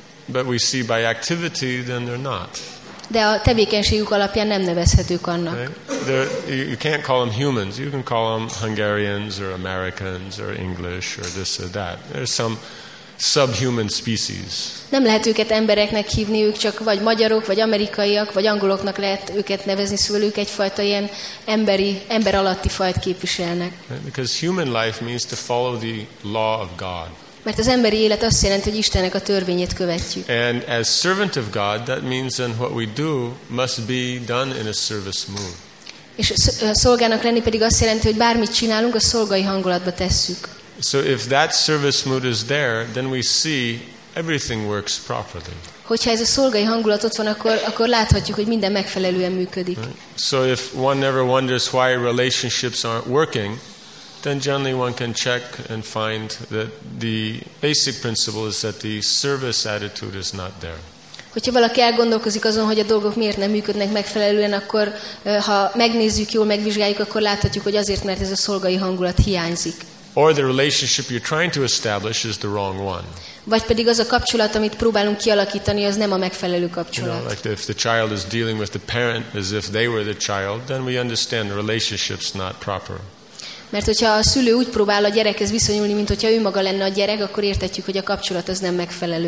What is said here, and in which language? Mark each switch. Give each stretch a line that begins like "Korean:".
English: But we see by activity then they're not.
Hungarian: De a tevékenységük alapján nem nevezhetők annak.
English: Right? You can't call them humans. You can call them Hungarians or Americans or English or this or that. There's some subhuman species.
Hungarian: Nem lehet őket embereknek hívni, ők csak vagy magyarok, vagy amerikaiak, vagy angoloknak lehet őket nevezni, szóval ők egyfajta ilyen ember alatti fajt képviselnek.
English: Right? Because human life means to follow the law of God.
Hungarian: Mert az emberi élet azt jelenti, hogy Istennek a törvényét követjük.
English: And as servant of God, that means then what we do must be done in a service mood.
Hungarian: És szolgának lenni pedig azt jelenti, hogy bármit csinálunk, a szolgai hangulatba tesszük.
English: So if that service mood is there, then we see everything works properly.
Hungarian: Hogyha ez a szolgai hangulat ott van, akkor láthatjuk, hogy minden megfelelően működik.
English: So if one never wonders why relationships aren't working, then generally one can check and find that the basic principle is that the service attitude is not there.
Hungarian: Hogyha valaki elgondolkozik azon, hogy a dolgok miért nem működnek megfelelően, akkor ha megnézzük, jól megvizsgáljuk, akkor láthatjuk, hogy azért, mert ez a szolgai hangulat hiányzik.
English: Or the relationship you're trying to establish is the wrong one.
Hungarian: Vagy pedig az a kapcsolat, amit próbálunk kialakítani, az nem a megfelelő kapcsolat.
English: You know, like if the child is dealing with the parent as if they were the child, then we understand the relationship's not proper.
Hungarian: Mert hogyha a szülő úgy próbál a gyerekhez viszonyulni, mint hogyha ő maga lenne a gyerek, akkor értetjük, hogy a kapcsolat az nem megfelelő.